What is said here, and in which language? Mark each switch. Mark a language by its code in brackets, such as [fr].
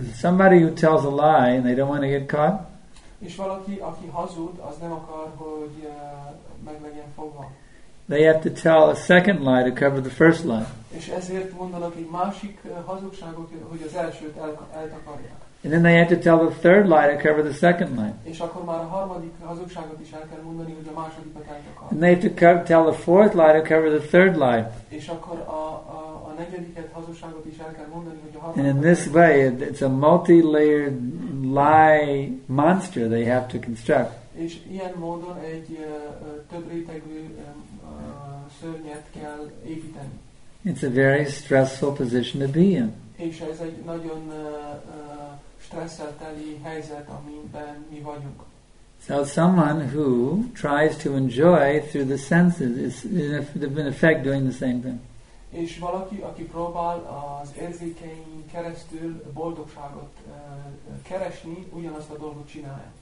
[en] Somebody who tells a lie and they don't want to get caught. [hu] És valaki, aki hazud, az nem akar, hogy meg legyen fogva. [en] They have to tell a second lie to cover the first lie. [hu] És ezért mondanak egy másik hazugságot, hogy az elsőt eltakarják. [en] And then they have to tell the third lie to cover the second lie. [hu] És akkor már a harmadik hazugságot is el kell mondani, hogy a másodikat eltakarják. [en] And they have to tell the fourth lie to cover the third lie. [hu] És akkor a negyediket hazugságot is el kell mondani, hogy a harmadik. [en] And in this way, it's a multi-layered lie monster they have to construct. [hu] És ilyen módon egy több rétegű szörnyet kell építeni. [en] It's a very stressful position to be in. [hu] És ez egy nagyon stresszel teli helyzet, amiben mi vagyunk. [en] So someone who tries to enjoy through the senses is in effect doing the same thing. [hu] És valaki, aki próbál az érzékein keresztül boldogságot keresni, ugyanazt a dolgot csinálja.